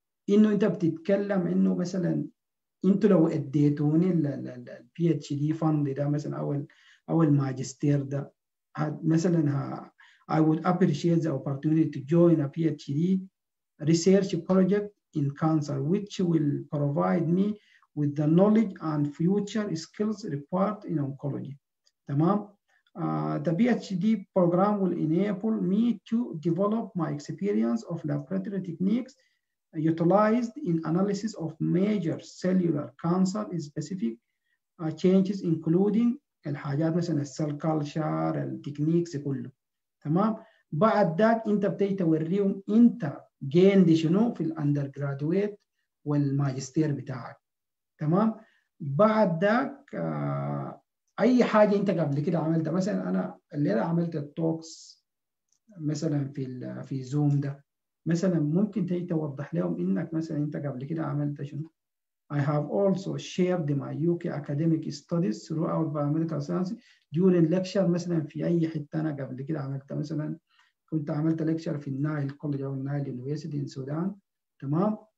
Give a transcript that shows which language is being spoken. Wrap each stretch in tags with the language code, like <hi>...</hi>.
<ar>انه انت بتتكلم انه مثلا انت لو اديتوني ال PhD fund ده مثلا او الماجستير ده مثلا</ar> <en>I would appreciate the opportunity to join a PhD research project in cancer which will provide me with the knowledge and future skills required in oncology.</en> <ar>تمام؟</ar> <en>The PhD program will enable me to develop my experience of laboratory techniques utilized in analysis of major cellular cancer specific changes including</en> <ar>الحاجات مثلا</ar> <en>cell culture,</en> <ar>التكنيكس كله. تمام؟ بعد ذلك انت بتجي توريهم انت gain دي شنو في الاندرغرادويت والماجستير بتاعك. تمام بعد ذاك اي حاجه انت قبل كده عملتها مثلا انا الليله عملت التوكس مثلا في زوم ده مثلا ممكن تيجي توضح لهم انك مثلا انت قبل كده عملت شنو</ar> <en>I have also shared my UK academic studies throughout biomedical science during lecture</en> <ar>مثلا في اي حته انا قبل كده عملت مثلا كنت عملت ليكتشر في النايل كوليدج او النايل يونيفرسيتي في السودان تمام</ar>